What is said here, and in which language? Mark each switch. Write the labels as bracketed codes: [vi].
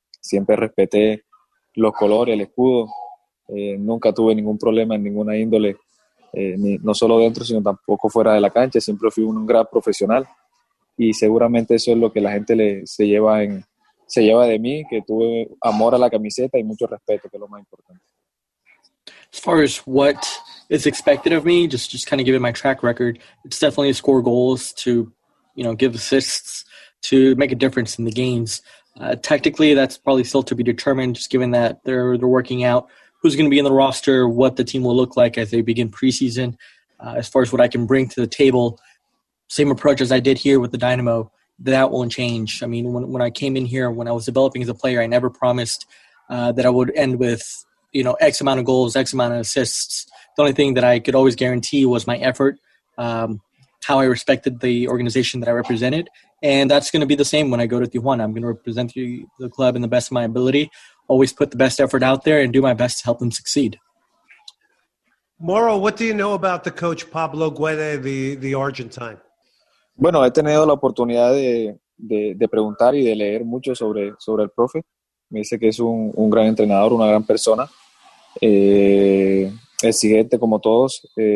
[es] Siempre respeté los colores, el escudo, nunca tuve ningún problema en ninguna índole, no solo dentro sino tampoco fuera de la cancha. Siempre fui un gran profesional y seguramente eso es lo que la gente se lleva de mí, que tuve amor a la camiseta y mucho respeto, que es lo más importante. [en] As far as what is expected of me, just kind of given my track record, it's definitely score goals to, you know, give assists, to make a difference in the games. Tactically, that's probably still to be determined, just given that they're working out who's going to be in the roster, what the team will look like as they begin preseason. As far as what I can bring to the table, same approach as I did here with the Dynamo, that won't change. I mean, when I came in here, when I was developing as a player, I never promised that I would end with, you know, X amount of goals, X amount of assists. The only thing that I could always guarantee was my effort, how I respected the organization that I represented. And that's going to be the same when I go to Tijuana. I'm going to represent the club in the best of my ability, always put the best effort out there and do my best to help them succeed. Mauro, what do you know about the coach Pablo Guede, the Argentine? [es] Bueno, he tenido la oportunidad de, de preguntar y de leer mucho sobre el profe. Me dice que es un gran entrenador, una gran persona, exigente como todos.